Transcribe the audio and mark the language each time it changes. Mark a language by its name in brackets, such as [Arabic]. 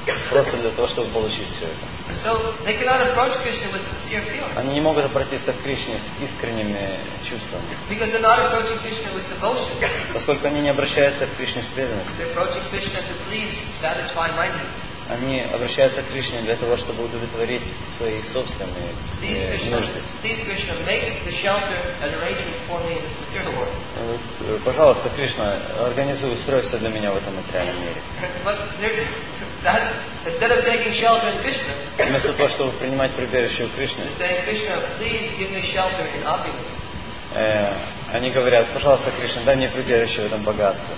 [Russian] Просто для того, чтобы получить все это. [English] So they cannot approach Krishna with sincere feelings. [Russian] Они не могут обратиться к Кришне с искренними чувствами. [English] Because they're not approaching Krishna with devotion. [Russian] Поскольку они не обращаются к Кришне с преданностью. [English] They're approaching Krishna to please satisfy my needs. [Russian] Они обращаются к Кришне для того, чтобы удовлетворить свои собственные нужды. [English] Please, Krishna, make the shelter an arrangement for me in this material world. [Russian] Пожалуйста, Кришна, организуй, устрой все для меня в этом материальном мире. [English] But instead of taking shelter in Krishna, [Russian] вместо того, чтобы принимать прибежище у Кришны, [English] saying, Krishna, please give me shelter in opulence. [Russian] Они говорят, пожалуйста, Кришна, дай мне прибежище в этом богатстве.